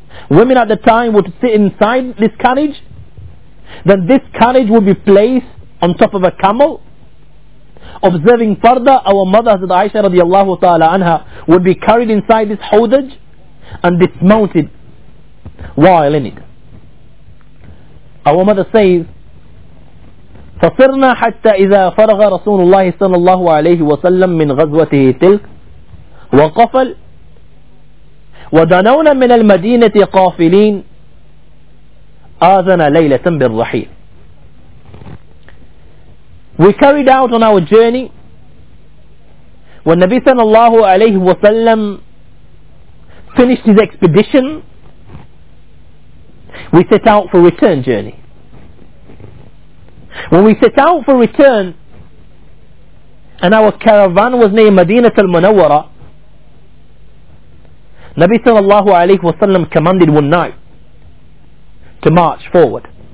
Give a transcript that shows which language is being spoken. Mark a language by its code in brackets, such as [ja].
[en] Women at the time would sit inside this carriage, then this carriage would be placed on top of a camel. Observing farda, our mother Hazrat Aisha radiallahu ta'ala anha would be carried inside this hawdaj and dismounted while in it. [ar] Our mother says, فَصِرْنَا حَتَّى إِذَا فَرَغَ رَسُولُ اللَّهِ صَلَى اللَّهُ عَلَيْهِ وَسَلَّمْ مِنْ غَزْوَتِهِ تِلْكِ وَقَفَلْ وَدَنَوْنَا مِنَ الْمَدِينَةِ قَافِلِينَ آذَنَا لَيْلَةً بِالرَّحِيلِ. [en] We carried out on our journey when Nabi sallallahu alayhi wa sallam finished his expedition. We set out for return journey. When we set out for return and our caravan was near Madinat al-Munawwara, Nabi sallallahu alayhi wa sallam commanded one night to march forward.